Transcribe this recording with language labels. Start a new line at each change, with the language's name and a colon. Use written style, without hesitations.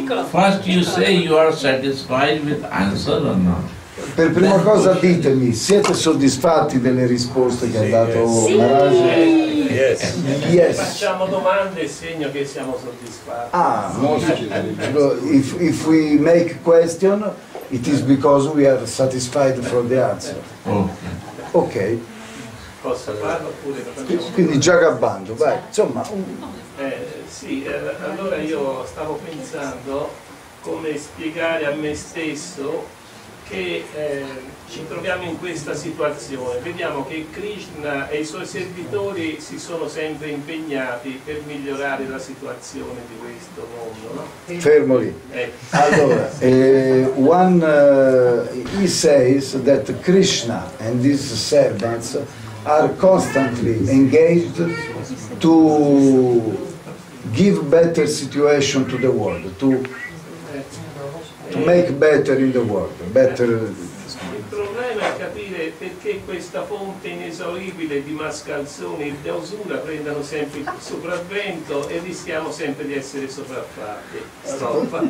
English: First you say you are satisfied with answer or not?
Italian: Per prima cosa ditemi, siete soddisfatti delle risposte che ha dato Maharaj? Sì.
English: Yes.
Italian: Facciamo domande, segno che siamo soddisfatti. Ah, molto.
English: If we make question, it is because we are satisfied from the answer. Ok.
Italian: Posso farlo oppure quindi già gabbando, vai. Insomma. Sì, allora io stavo pensando come spiegare a me stesso che ci troviamo in questa situazione. Vediamo che Krishna e i suoi servitori si sono sempre impegnati per migliorare la situazione di questo mondo, no? Fermo lì.
English: Allora, he says that Krishna and his servants are constantly engaged to give better situation to the world, to make better in the world, better.
Italian: Il problema è capire perché questa fonte inesauribile di mascalzoni e di usura prendano sempre il sopravvento e rischiamo sempre di essere sopraffatti.